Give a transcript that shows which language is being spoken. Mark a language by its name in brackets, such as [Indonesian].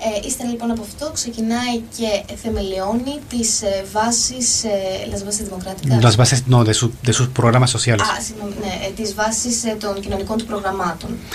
[Greek] Ύστερα λοιπόν από αυτό ξεκινάει και θεμελιώνει τις βάσεις, [Spanish] las bases democráticas. Las bases, no, de sus programas sociales. [Greek] Τις βάσεις των κοινωνικών του προγραμμάτων.